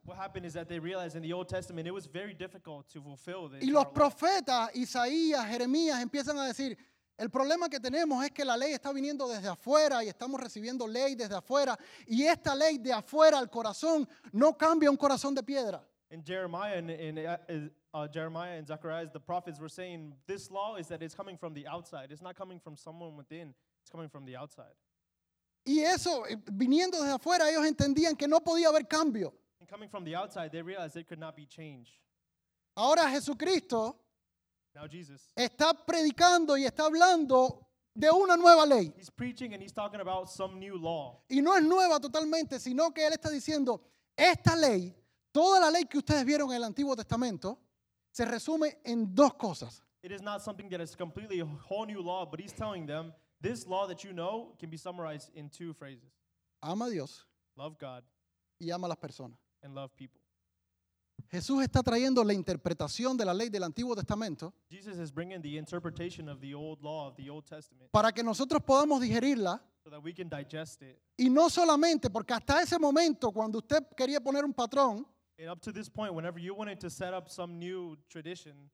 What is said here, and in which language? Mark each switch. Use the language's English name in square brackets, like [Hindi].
[English] What happened is that they realized in the Old Testament it was very difficult to fulfill the. [Spanish] Y los profetas Isaías, Jeremías empiezan a decir, el problema que tenemos es que la ley está viniendo desde afuera y estamos recibiendo ley desde afuera y esta ley de afuera al corazón no cambia un corazón de piedra. [English] And Jeremiah and Zechariah, the prophets were saying, this law is that it's coming from the outside. It's not coming from someone within. It's coming from the outside. [Spanish] Y eso, viniendo desde afuera, ellos entendían que no podía haber cambio. [English] And coming from the outside, they realized it could not be changed. [Spanish] Ahora Jesucristo, [English] now Jesus, [Spanish] está predicando y está hablando de una nueva ley. [English] He's preaching and he's talking about some new law. [Spanish] Y no es nueva totalmente, sino que él está diciendo, esta ley, toda la ley que ustedes vieron en el Antiguo Testamento, se resume en dos cosas. [English] It is not something that is completely a whole new law, but he's telling them, this law that you know can be summarized in two phrases. [Spanish] Ama a Dios. [English] Love God. [Spanish] Y ama a las personas. [English] And love people. [Spanish] Jesús está trayendo la interpretación de la ley del Antiguo Testamento. [English] Jesus is bringing the interpretation of the old law of the Old Testament. [Spanish] Para que nosotros podamos digerirla. [English] So that we can digest it. [Spanish] Y no solamente, porque hasta ese momento, cuando usted quería poner un patrón. [English] And up to this point, whenever you wanted to set up some new tradition.